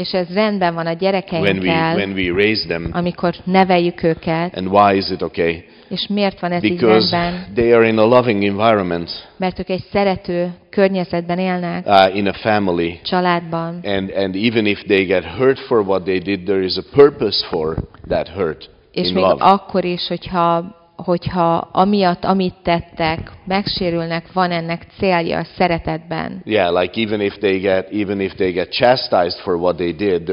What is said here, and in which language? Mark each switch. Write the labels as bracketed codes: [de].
[hu] És ez rendben van a gyerekeinkkel. [en] When we raise them. [hu] Amikor neveljük őket. [en] And why is it okay? [hu] És miért van ez [en] Because [hu] így rendben? [en] Because they are in a loving environment. [hu] Mert ők egy szerető környezetben élnek. [en] In a family. [hu] Családban. [en] And even if they get hurt for what they did, there is a purpose for that hurt. [hu] És még [en] love. [hu] Akkor is, hogyha amiatt, amit tettek, megsérülnek, van ennek célja a szeretetben. [en] Yeah, like even if they get chastised for what they did, there